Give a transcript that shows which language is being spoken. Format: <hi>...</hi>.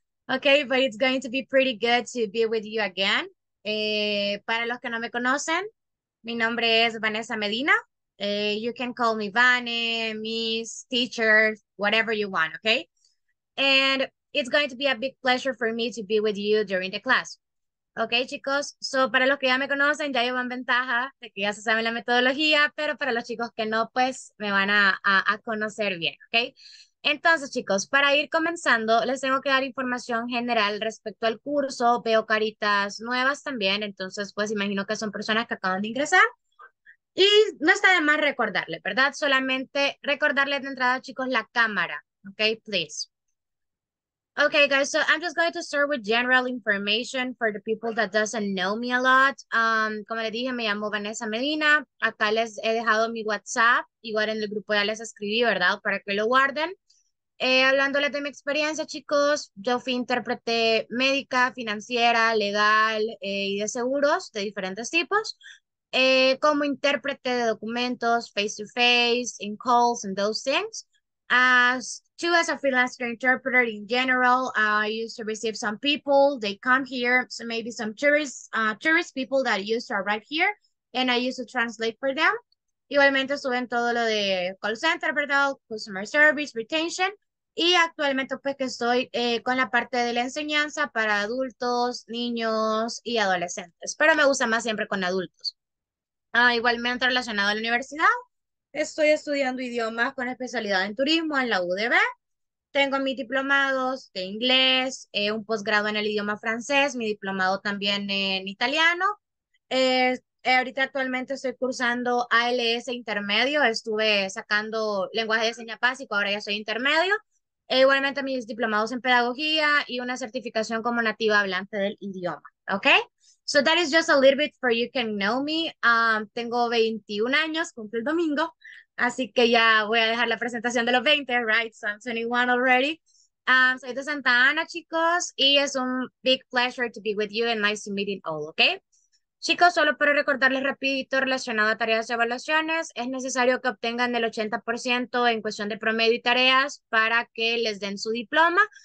<en>Okay, but it's going to be pretty good to be with you again.</en> <es>Para los que no me conocen, mi nombre es Vanessa Medina.</es> <en>You can call me Vane, Miss, Teacher, whatever you want, okay? And it's going to be a big pleasure for me to be with you during the class.</en> <es>Okay, chicos, so para los que ya me conocen, ya llevan ventaja de que ya se saben la metodología, pero para los chicos que no, pues me van a conocer bien, okay? Entonces, chicos, para ir comenzando, les tengo que dar información general respecto al curso. Veo caritas nuevas también, entonces, pues, imagino que son personas que acaban de ingresar. Y no está de más recordarle, ¿verdad? Solamente recordarle de entrada, chicos, la cámara.</es> <en>Okay, please. Okay, guys, so I'm just going to start with general information for the people that doesn't know me a lot.</en> <es>Como les dije, me llamo Vanessa Medina. Acá les he dejado mi WhatsApp. Igual en el grupo ya les escribí, ¿verdad? Para que lo guarden. Hablándoles de mi experiencia, chicos, yo fui intérprete médica, financiera, legal y de seguros de diferentes tipos. Como intérprete de documentos,</es> <en>face-to-face, in calls, and those things. As a freelancer interpreter in general, I used to receive some people, they come here, so maybe some tourist people that used to arrive here, and I used to translate for them.</en> <es>Igualmente estuve en todo lo de call center, ¿verdad?</es> <en>Customer service, retention,</en> <es>y actualmente pues que estoy con la parte de la enseñanza para adultos, niños y adolescentes, pero me gusta más siempre con adultos. Igualmente relacionado a la universidad, estoy estudiando idiomas con especialidad en turismo en la UDB. Tengo mis diplomados de inglés, un posgrado en el idioma francés, mi diplomado también en italiano. Ahorita actualmente estoy cursando ALS intermedio, estuve sacando lenguaje de señas básico, ahora ya soy intermedio. Igualmente mis diplomados en pedagogía y una certificación como nativa hablante del idioma, ¿ok?</es> <en>So that is just a little bit for you can know me.</en> <es>Tengo 21 años, cumple el domingo, así que ya voy a dejar la presentación de los 20, right?</es> <en>So I'm 21 already.</en> <es>Soy de Santa Ana, chicos, y es un</es> <en>big pleasure to be with you and nice to meeting all, okay?</en> <es>Chicos, solo para recordarles rapidito relacionado a tareas y evaluaciones, es necesario que obtengan el 80% en cuestión de promedio y tareas para que les den su diploma.</es>